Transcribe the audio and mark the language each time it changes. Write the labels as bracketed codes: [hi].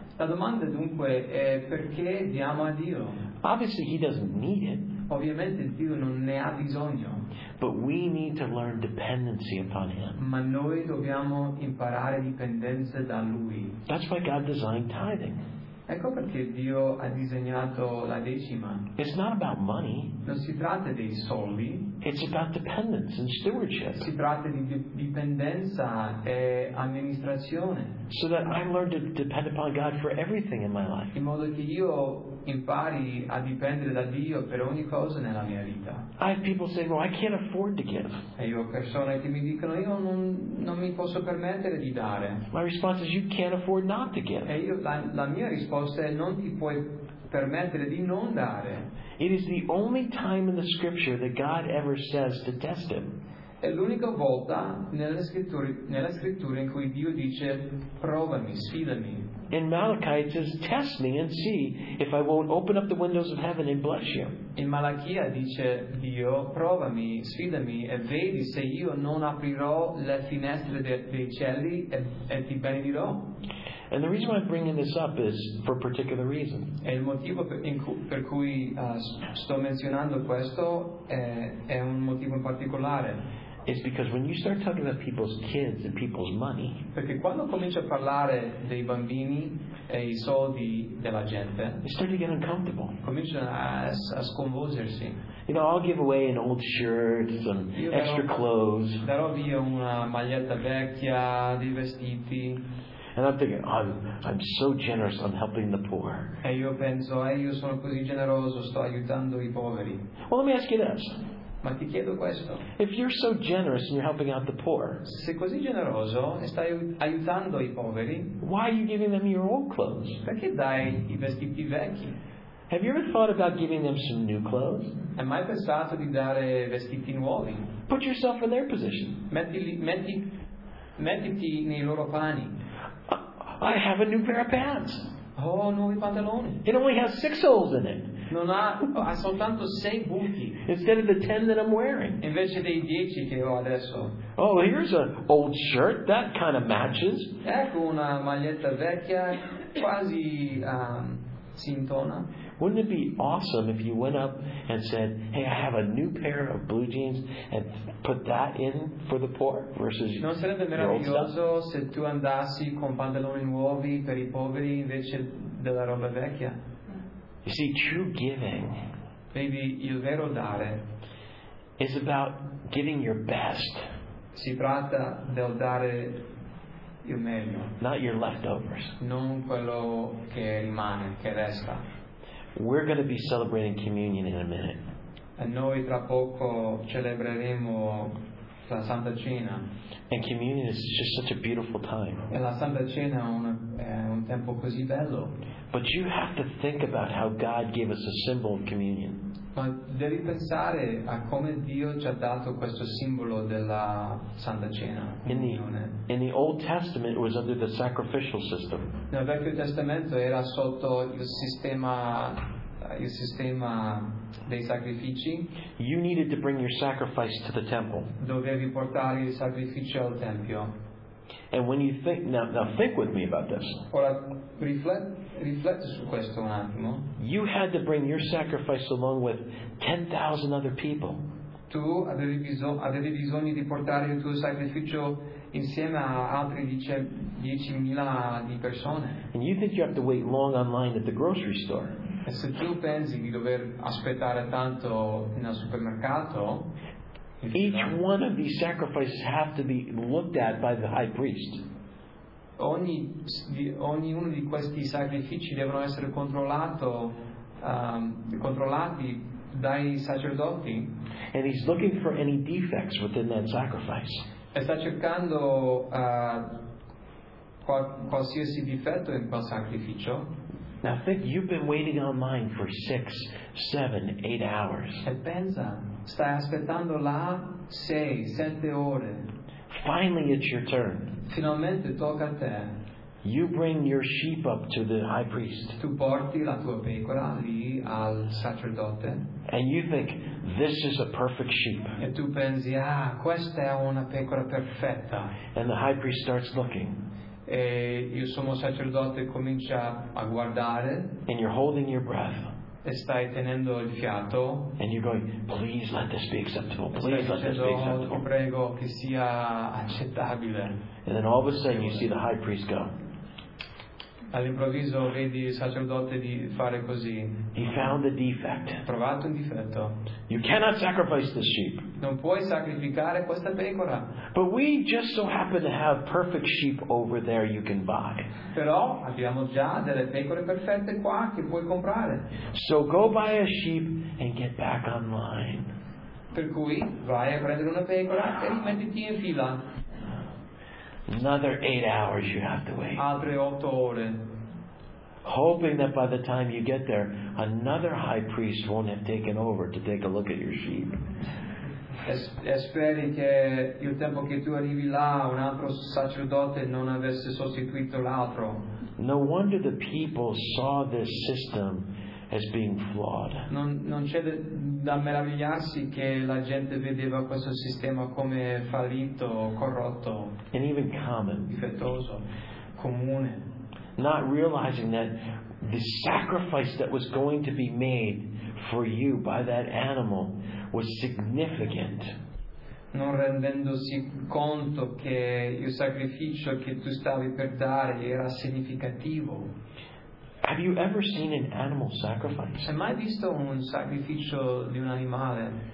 [it] La domanda dunque è perché diamo a Dio. [en] Obviously, He doesn't need it. [it] Ovviamente Dio non ne ha bisogno. [en] But we need to learn dependency upon Him. [it] Ma noi dobbiamo imparare dipendenza da Lui. [en] That's why God designed tithing. [it] Ecco perché Dio ha disegnato la decima. [en] It's not about money. [it] Non si tratta dei soldi. [en] It's about dependence and stewardship. [it] Si tratta di dipendenza e amministrazione. [en] So that I learn to depend upon God for everything in my life. [it] In modo che io impari a dipendere da Dio per ogni cosa nella mia vita. [en] I have people say, "Well, I can't afford to give." [it] E io ho persone che mi dicono, io non mi posso permettere di dare. [en] My response is, "You can't afford not to give." [it] E io la mia risposta è, non ti puoi permettere di non dare. [en] It is the only time in the scripture that God ever says to test him. [it] È l'unica volta nella scrittura in cui Dio dice provami, sfidami. [en] In Malachi it says, "Test me and see if I won't open up the windows of heaven and bless you." [it] In Malachia dice Dio provami, sfidami e vedi se io non aprirò le finestre dei cieli e ti benedirò. [en] And the reason why I'm bringing this up is for a particular reason. [it] E il motivo per cui sto menzionando questo è un motivo in particolare. [en] It's because when you start talking about people's kids and people's money, [it] perché quando cominci a parlare dei bambini e i soldi della gente, [en] they start to get uncomfortable. [it] Comincia a sconvolgersi. [en] You know, I'll give away an old shirt, some extra clothes. [it] Darò via una maglietta vecchia, dei vestiti. [en] And I'm thinking, I'm so generous, I'm helping the poor. [it] E io penso, io sono così generoso, sto aiutando I poveri. [en] Well, let me ask you this. [it] Ma ti chiedo questo. [en] If you're so generous and you're helping out the poor, [it] sei così generoso e stai aiutando I poveri, [en] why are you giving them your old clothes? [it] Perché dai I vestiti vecchi? [en] Have you ever thought about giving them some new clothes? [it] Hai mai pensato di dare vestiti nuovi? [en] Put yourself in their position. [it] Mettiti nei loro panni. [en] I have a new pair of pants. [it] Oh, nuovi pantaloni. [en] It only has 6 holes in it. [it] Non ha, ha soltanto 6 buchi. [en] Instead of the 10 that I'm wearing. [it] Invece dei 10 che ho adesso. [en] Oh, here's an old shirt that kind of matches. [it] Ecco una maglietta vecchia quasi si intona. [en] Wouldn't it be awesome if you went up and said, "Hey, I have a new pair of blue jeans," and put that in for the poor versus [it] non sarebbe meraviglioso se tu andassi con pantaloni nuovi per I poveri invece della roba vecchia? [en] You see, true giving, maybe [it] il vero dare, [en] is about giving your best. [it] Si tratta del dare il meglio. [en] Not your leftovers. [it] Non quello che rimane, che resta. [en] We're going to be celebrating communion in a minute. [it] E noi tra poco celebreremo la Santa Cena. [en] And communion is just such a beautiful time. [it] E la Santa Cena è un tempo così bello. [en] But you have to think about how God gave us a symbol of communion. [it] Ma devi pensare a come Dio ci ha dato questo simbolo della Santa Cena. [en] In the Old Testament, it was under the sacrificial system. [it] Nel Vecchio Testamento era sotto il sistema dei sacrifici. [en] You needed to bring your sacrifice to the temple. [it] Dovevi portare il sacrificio al tempio. [en] And when you think now think with me about this. [it] Ora rifletti su questo un attimo. [en] You had to bring your sacrifice along with 10,000 other people. [it] Tu avevi bisogno di portare il tuo sacrificio insieme a altri 10,000 di persone. [en] And you think you have to wait long online at the grocery store. [it] E se tu pensi di dover aspettare tanto nel supermercato. [en] Each one of these sacrifices have to be looked at by the high priest. [it] Ogni uno di questi sacrifici devono essere controllati dai sacerdoti. [en] And he's looking for any defects within that sacrifice. [it] E sta cercando qualsiasi difetto in quel sacrificio. [en] Now think, you've been waiting online for 6, 7, 8 hours. [it] E pensa, stai aspettando là 6, 7 ore. [en] Finally it's your turn. [it] Finalmente tocca a te. [en] You bring your sheep up to the high priest. [it] Tu porti la tua pecora lì al sacerdote. [en] And you think, this is a perfect sheep. [it] E tu pensi, ah, questa è una pecora perfetta. [en] And the high priest starts looking. [it] E il sommo sacerdote comincia a guardare. [en] And you're holding your breath. [it] E stai tenendo il fiato. [en] And you're going, please let this be acceptable. Please let this be acceptable. [it] Prego che sia accettabile. [en] And then all of a sudden you see the high priest go. [it] All'improvviso vedi il sacerdote di fare così. [en] He found a defect. [it] Trovato un difetto. [en] You cannot sacrifice this sheep. [it] Non puoi sacrificare questa pecora. [en] But we just so happen to have perfect sheep over there you can buy. [it] Però abbiamo già delle pecore perfette qua che puoi comprare. [en] So go buy a sheep and get back online. [it] Per cui vai a prendere una pecora e rimettiti in fila. [en] Another 8 hours you have to wait. [it] Altre 8 ore. [en] Hoping that by the time you get there, another high priest won't have taken over to take a look at your sheep. [it] Speri che il tempo che tu arrivi là, un altro sacerdote non avesse sostituito l'altro. [en] No wonder the people saw this system as being flawed. [it] Non c'è da meravigliarsi che la gente vedeva questo sistema come fallito, corrotto, [en] and even common, [it] difettoso, comune, [en] not realizing that the sacrifice that was going to be made for you by that animal was significant. [it] Non rendendosi conto che il sacrificio che tu stavi per dare era significativo. [en] Have you ever seen an animal sacrifice? [it] Hai mai visto un sacrificio di un animale?